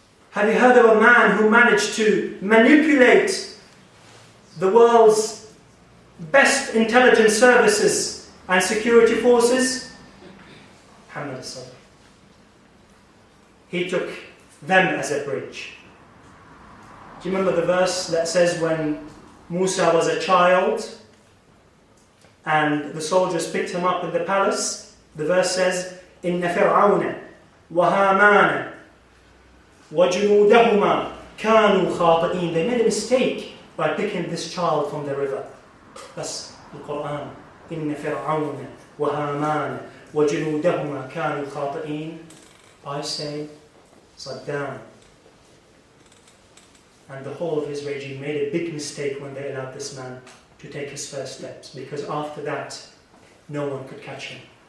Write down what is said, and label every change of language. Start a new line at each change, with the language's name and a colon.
English: Have you heard of a man who managed to manipulate the world's best intelligence services and security forces? Muhammad Al-Sadr. He took them as a bridge. Do you remember the verse that says when Musa was a child and the soldiers picked him up in the palace? The verse says,
Arabic: إِنَّ فِرْعَوْنَ وَهَامَانَ وَجُنُودَهُمَا كَانُوا خَاطِئِينَ.
English: They made a mistake by picking this child from the river. That's the Quran.
Arabic: إِنَّ فِرْعَوْنَ وَهَامَانَ وَجُنُودَهُمَا كَانُوا خَاطِئِينَ.
English: I say, Saddam and the whole of his regime made a big mistake when they allowed this man to take his first steps, because after that, no one could catch him.